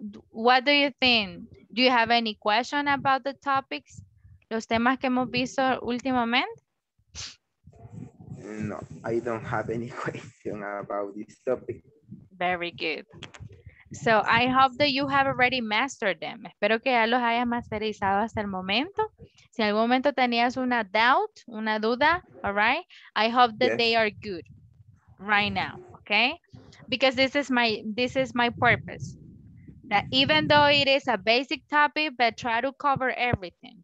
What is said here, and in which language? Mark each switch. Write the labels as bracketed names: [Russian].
[English] What do you think? Do you have any question about the topics? [Spanish] Los temas que hemos visto últimamente? [English] No, I don't have any question about this topic. Very good. So I hope that you have already mastered them. [Spanish] Espero que ya los hayas masterizado hasta el momento. Si en algún momento tenías una doubt, una duda, [English] all right? I hope that they are good right now, okay? Because this is my purpose. That even though it is a basic topic, but try to cover everything.